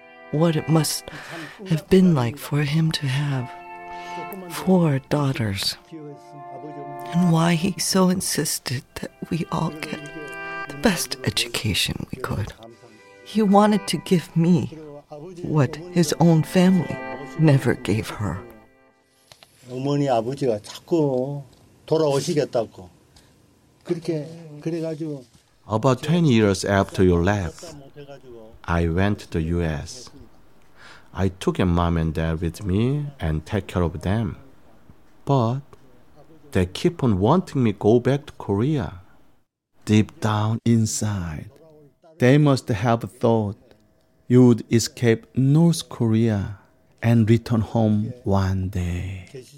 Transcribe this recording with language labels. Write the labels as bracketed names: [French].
[English] What it must have been like for him to have four daughters, and why he so insisted that we all get the best education we could. He wanted to give me what his own family never gave her. [Korean] 어머니 아버지가 자꾸 돌아오시겠다고 그렇게 그래가지고. [English] About 20 years after you left, I went to the U.S. I took a mom and dad with me and take care of them, but they keep on wanting me go back to Korea. Deep down inside, they must have thought you would escape North Korea and return home one day.